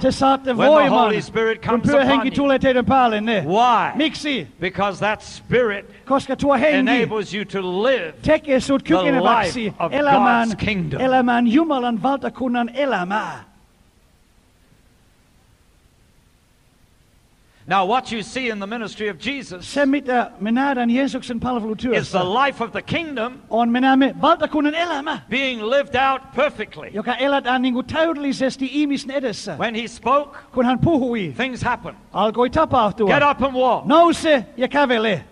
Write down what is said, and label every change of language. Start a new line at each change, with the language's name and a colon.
Finnish: Te saatte voiman.
English: When the Holy Spirit comes upon you.
Finnish: Kun Pyhä Henki tulee teidän päällenne.
English: Why?
Finnish: Miksi?
English: Because that Spirit.
Finnish: Koska tuo henki
English: enables you to live
Finnish: tekee sut kykeneväksi elämään,
English: God's kingdom.
Finnish: Elämään Jumalan valtakunnan elämää.
English: Now what you see in the ministry of Jesus
Finnish: se, mitä me nähdään Jeesuksen palvelutyössä,
English: is the life of the kingdom
Finnish: on me näemme valtakunnan elämä,
English: being lived out perfectly.
Finnish: Joka elätään niin kuin täydellisesti ihmisen edessä.
English: When he spoke,
Finnish: kun hän puhui,
English: things happen.
Finnish: Alkoi tapahtua.
English: Get up and walk.
Finnish: Nouse ja kävele.